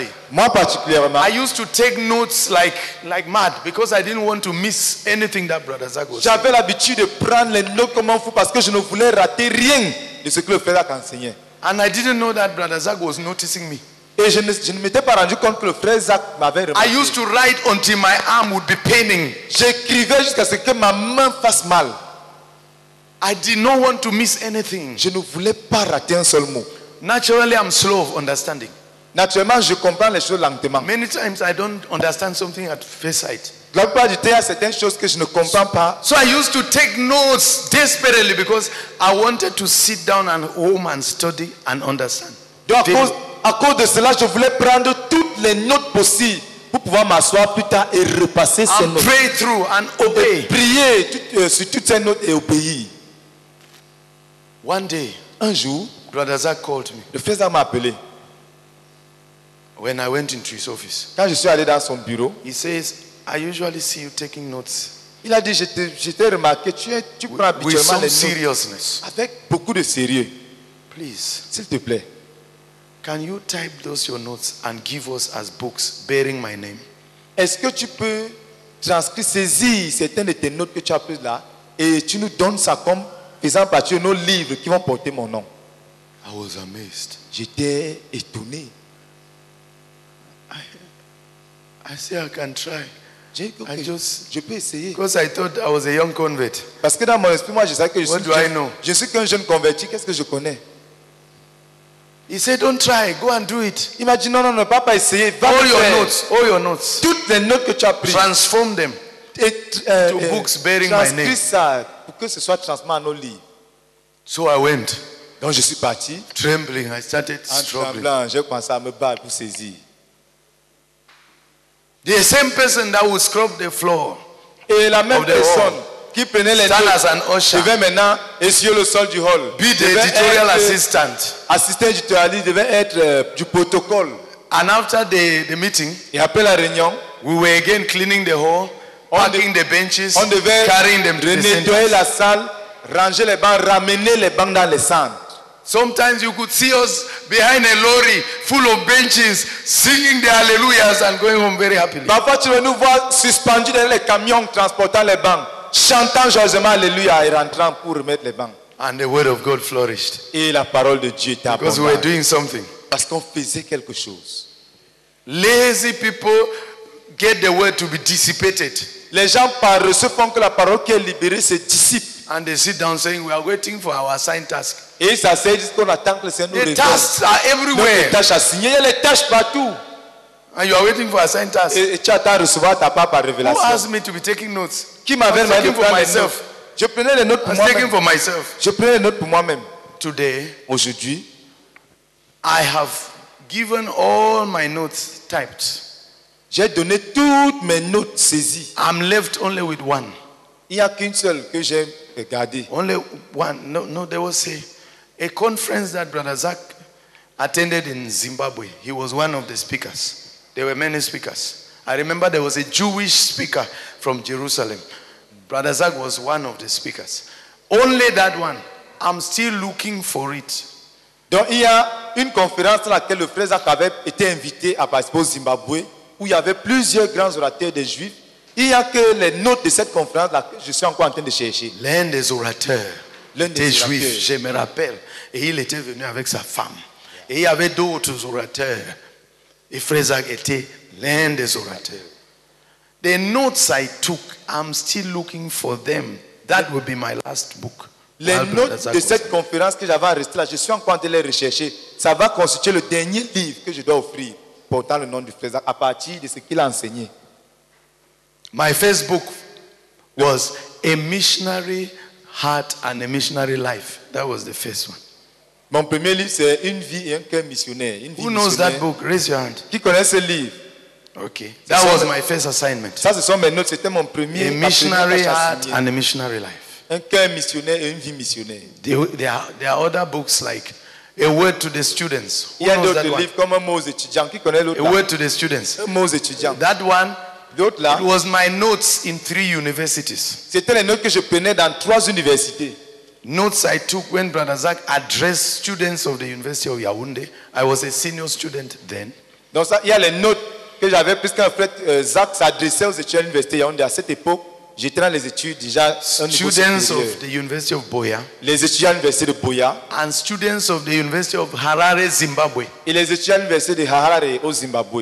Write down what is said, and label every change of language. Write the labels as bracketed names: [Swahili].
[French] Moi particulièrement, [English] I used to take notes like mad because I didn't want to miss anything that Brother Zago said. [French] J'avais l'habitude de prendre les notes comme un fou parce que je ne voulais rater rien de ce que le frère enseignait. [English] And I didn't know that Brother Zago was noticing me. [French] Et je ne m'étais pas rendu compte que le frère Zach m'avait remarqué. [English] I used to write until my arm would be paining. [French] J'écrivais jusqu'à ce que ma main fasse mal. [English] I did not want to miss anything. [French] Je ne voulais pas rater un seul mot. [English] Naturally, I'm slow of understanding. [French] Naturellement, je comprends les choses lentement. [English] Many times, I don't understand something at first sight. [French] La plupart du temps, il y a certaines choses que je ne comprends pas. [English] So I used to take notes desperately because I wanted to sit down and home and study and understand. [French] À cause de cela, je voulais prendre toutes les notes possibles pour pouvoir m'asseoir plus tard et repasser ces notes. [English] Pray through and obey. [French] Et prier sur toutes ces notes et obéir. [English] One day, [French] un jour, [English] Brother Zach called me. [French] Le frère Zach m'a appelé. [English] When I went into his office, [French] quand je suis allé dans son bureau, [English] he says, "I usually see you taking notes [French] Il a dit, j'étais remarqué, tu prends habituellement les [English] seriousness. [French] Avec beaucoup de sérieux. [English] Please. [French] S'il te plaît. [English] Can you type those your notes and give us as books bearing my name? [French] Est-ce que tu peux transcrire, saisir certaines de tes notes que tu as prises là et tu nous donnes ça comme faisant partie de nos livres qui vont porter mon nom? [English] I was amazed. [French] J'étais étonné. [English] I say I can try. [French] Je peux essayer. [English] Because I thought I was a young convert. [French] Parce que dans mon esprit, moi, je sais que [English] what do I know? [French] Je suis qu'un jeune converti. Qu'est-ce que je connais? [English] He said, "Don't try. Go and do it." [French] Imagine, no, papa, essayez. Va [English] all your notes, all your notes. [French] Toutes les notes que tu as prises. [English] Transform them to books bearing my name. [French] Transcris ça pour que ce soit transmis à nos livres. [English] So I went. [French] Donc je suis parti. [English] Trembling, I started struggling. [French] En tremblant, j'ai commencé à me battre pour saisir. [English] The same person that would scrub the floor. [French] Et la même personne qui prenait les [English] notes. Stand as an usher. [French] Devait maintenant essuyer le sol du hall. [English] Be the editorial assistant. [French] Assistant éditorialiste devait être du protocole. [English] And after the meeting, [French] et après la réunion, [English] we were again cleaning the hall, packing the benches, [French] on devait [English] carrying them to the [French] nettoyer la salle, ranger les bancs, ramener les bancs dans les centres. [English] Sometimes you could see us behind a lorry full of benches singing the hallelujahs and going home very happily. [French] Parfois tu nous vois suspendu dans les camions transportant les bancs, chantant joyeusement alléluia et rentrant pour remettre les bancs. [English] And the word of God flourished. [French] Et la parole de Dieu t'a [English] because we were doing something. [French] Parce qu'on faisait quelque chose. [English] Lazy people get the word to be dissipated. [French] Les gens parlent, se font que la parole qui est libérée se dissipe. [English] And they sit down saying, "We are waiting for our assigned task." [French] Et ça c'est juste qu'on attend que le Seigneur nous réponde. [English] The tasks are everywhere. [French] Les tâches assignées, il y a les tâches partout. [English] And you are waiting for assigned task. [French] Et tu attends recevoir ta part par révélation. [English] Who asked me to be taking notes? [French] Qui m'avait demandé pour [English] myself? [French] Je prenais les notes pour moi-même. [English] I'm taking for myself. [French] Je prenais les notes pour moi-même. [English] Today, [French] aujourd'hui, [English] I have given all my notes typed. [French] J'ai donné toutes mes notes saisies. [English] I'm left only with one. Il n'y a qu'une seule que j'ai gardée. Only one. No, there was a conference that Brother Zach attended in Zimbabwe. He was one of the speakers. There were many speakers. I remember there was a Jewish speaker from Jerusalem. Brother Zach was one of the speakers. Only that one. I'm still looking for it. [French] Donc il y a une conférence à laquelle le frère Zach avait été invité à participer au Zimbabwe, où il y avait plusieurs grands orateurs des Juifs. Il n'y a que les notes de cette conférence là que je suis encore en train de chercher. L'un des orateurs, l'un des Juifs, je me rappelle, et il était venu avec sa femme. Et il y avait d'autres orateurs. Et Frézac était l'un des orateurs. [English] The notes I took, I'm still looking for them. That will be my last book. [French] Les notes de cette conférence que j'avais enregistrées là, je suis encore en train de les rechercher. Ça va constituer le dernier livre que je dois offrir portant le nom du Frézac à partir de ce qu'il a enseigné. [English] My first book was A Missionary Heart and a Missionary Life. That was the first one. [French] Mon premier livre, c'est Une vie et un cœur missionnaire. [English] Who knows that book? Raise your hand. [French] Qui connaît ce livre? [English] Okay. That was my first assignment. [French] Ça, ce sont mes notes. C'était mon premier. [English] A Missionary Heart and a Missionary Life. [French] Un cœur missionnaire et une vie missionnaire. [English] There are other books like A Word to the Students. [French] Il y a d'autres livres comme Un mot aux étudiants. Qui connaît l'autre? [English] A Word to the Students. [French] Un mot aux étudiants. [English] That one. It was my notes in three universities. [French] C'était les notes que je prenais dans trois universités. [English] Notes I took when Brother Zach addressed students of the University of Yaoundé. I was a senior student then. [French] Donc ça, il y a les notes que j'avais prises quand Frère Zach s'adressait aux étudiants de l'Université de Yaoundé. À cette époque, j'étais dans les études déjà. [English] Students of the University of Boya. [French] Les étudiants de l'Université de Boya. [English] And students of the University of Harare, Zimbabwe. [French] Et les étudiants de l'Université de Harare au Zimbabwe.